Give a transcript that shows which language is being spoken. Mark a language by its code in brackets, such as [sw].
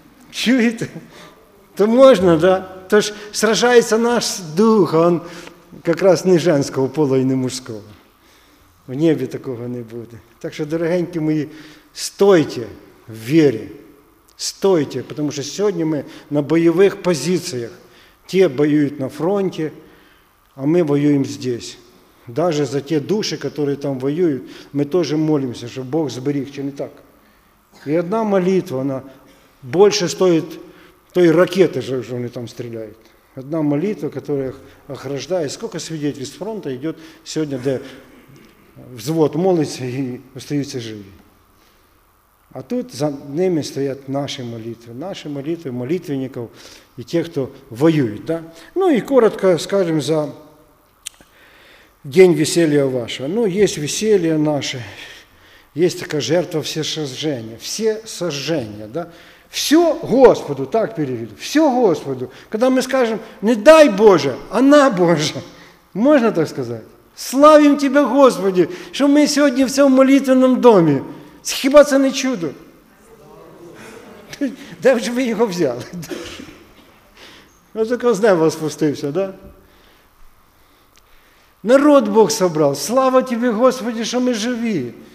[uk] Чуєте? То можна, да? То ж сражається наш дух, а він якраз не женського пола і не мужського. В небі такого не буде. Так що, дорогенькі мої, стойте в вірі. Стойте, тому що сьогодні ми на бойових позиціях. Ті воюють на фронті. [ru] А мы воюем здесь. Даже за те души, которые там воюют, мы тоже молимся, чтобы Бог сберег, чи не так. И одна молитва, она больше стоит той ракеты, что они там стреляют. Одна молитва, которая охраждает. Сколько свидетельств фронта идет сегодня, где взвод молится и остаются живы. А тут за ними стоят наши молитвы. Наши молитвы, молитвенников и тех, кто воюет. Да? Ну и коротко скажем за день веселья вашего. Ну, есть веселье наше, есть такая жертва всесожжения. Всесожжение, да? Все Господу, так переведу, все Господу. Когда мы скажем, не дай Боже, а на Боже. Можно так сказать? Славим Тебя, [uk] Господи, що ми сьогодні в цьому молитвенному домі. Хіба це не чудо? Де ж ви його взяли? Ось з неба спустився, так? Да? Народ Бог собрав. Слава Тобі, Господи, що ми живі.